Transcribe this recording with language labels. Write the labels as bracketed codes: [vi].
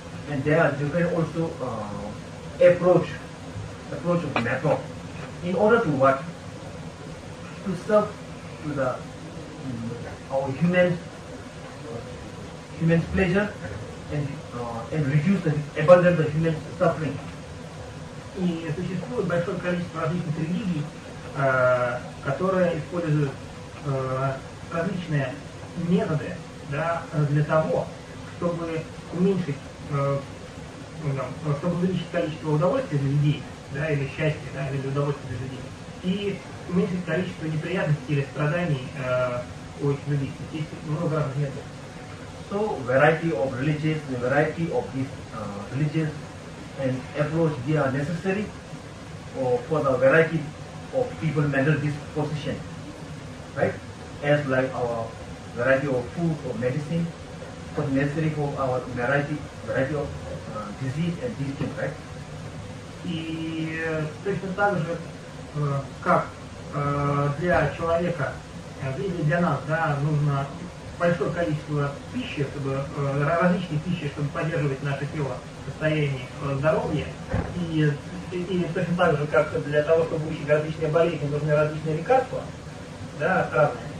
[en] And there are different also approach of method. In order to what? To serve to the our human's pleasure and reduce and abandon the human suffering. [ru] И существует большое количество различных религий, которые используют различные методы, да, для того, чтобы увеличить количество удовольствия для людей, да, или счастья, да, или удовольствия для людей. И уменьшить количество неприятностей или страданий у этих людей. Здесь много разных методов. [en] So variety of religions, the variety of these religions and approach, they are necessary for the variety of people mental disposition, right? As like our variety of food or medicine, but necessary for our variety of disease and distinct, right? [ru] И точно так же, как для человека, или для нас, да, нужно большое количество пищи, чтобы различной пищи, чтобы поддерживать наше тело в состоянии здоровья. И точно так же, как для того, чтобы вылечить различные болезни, нужны различные лекарства, да, разные.